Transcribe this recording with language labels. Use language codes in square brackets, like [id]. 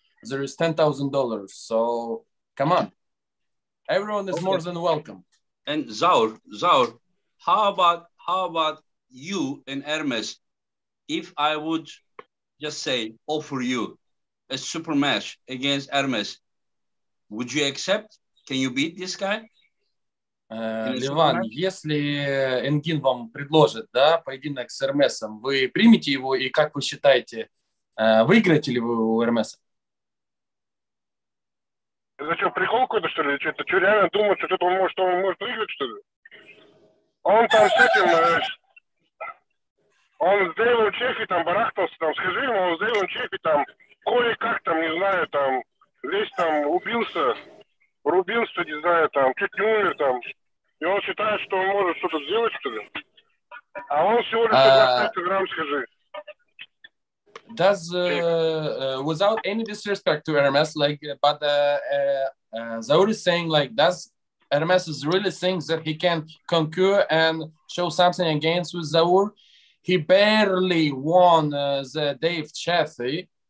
[en] There is $10,000. So come on. Everyone is more than welcome. And Zaur, how about you and Ermes? If I would just say offer you a super match against Ermes, would you accept? Can you beat this guy? [ru] Леван, если Энгин вам предложит, да, поединок с Эрмесом, вы примете его, и как вы считаете, выиграете ли вы у Эрмеса? Это что, прикол какой-то, что ли? Это что, реально думать, что что-то он может выиграть, что ли? Он там с этим, он с Дэйвом Чехи там барахтался, там, скажи ему, он с Дэйвом Чехи там кое-как там, не знаю, там, весь там рубился, не знаю, там, чуть не умер там. И он считает, что он может что-то сделать, что ли? А он всего лишь 50 грамм, скажи. [en] Does without any disrespect to Hermes, like, but Zaur is saying, like, does Hermes really think that he can conquer and show something against with Zaur? He barely won the Dave Chaffee.